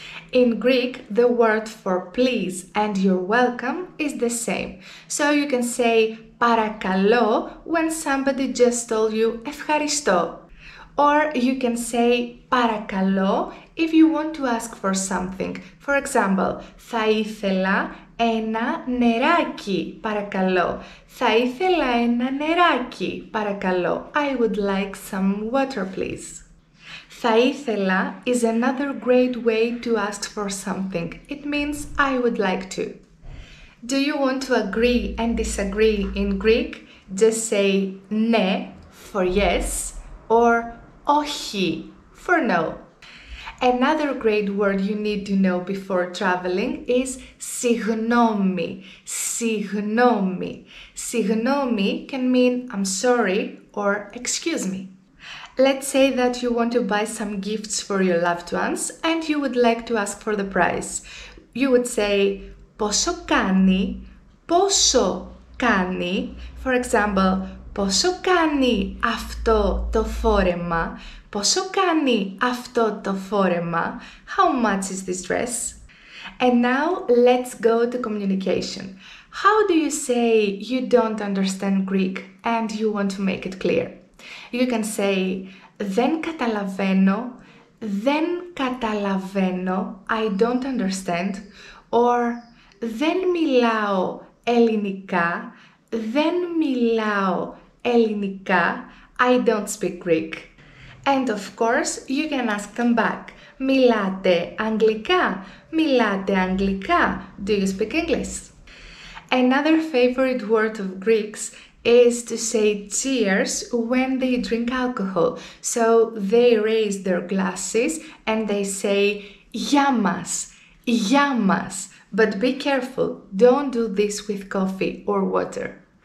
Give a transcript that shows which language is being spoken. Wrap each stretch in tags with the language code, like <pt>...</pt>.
<en>In Greek, the word for please and you're welcome is the same. So you can say παρακαλώ when somebody just told you ευχαριστώ. Or you can say παρακαλώ if you want to ask for something. For example,</en> <el>θα ήθελα ένα νεράκι, παρακαλώ. Θα ήθελα ένα νεράκι, παρακαλώ.</el> <en>I would like some water, please.</en> <el>Θα ήθελα</el> <en>is another great way to ask for something. It means I would like to. Do you want to agree and disagree in Greek? Just say ναι for yes or όχι for no. Another great word you need to know before traveling is συγγνώμη, συγγνώμη. Συγγνώμη can mean I'm sorry or excuse me. Let's say that you want to buy some gifts for your loved ones and you would like to ask for the price. You would say</en> <el>πόσο κάνει, πόσο κάνει.</el> <en>For example,</en> <el>πόσο κάνει αυτό το φόρεμα, πόσο κάνει αυτό το φόρεμα.</el> <en>How much is this dress? And now let's go to communication. How do you say you don't understand Greek and you want to make it clear? You can say</en> <el>δεν καταλαβαίνω, δεν καταλαβαίνω,</el> <en>I don't understand, or</en> <el>δεν μιλάω ελληνικά, δεν μιλάω ελληνικά,</el> <en>I don't speak Greek. And of course, you can ask them back.</en> <el>Μιλάτε αγγλικά, μιλάτε αγγλικά,</el> <en>do you speak English? Another favorite word of Greeks is to say cheers when they drink alcohol. So they raise their glasses and they say</en> <el>γεια μας, γεια μας.</el> <en>But be careful, don't do this with coffee or water.</en>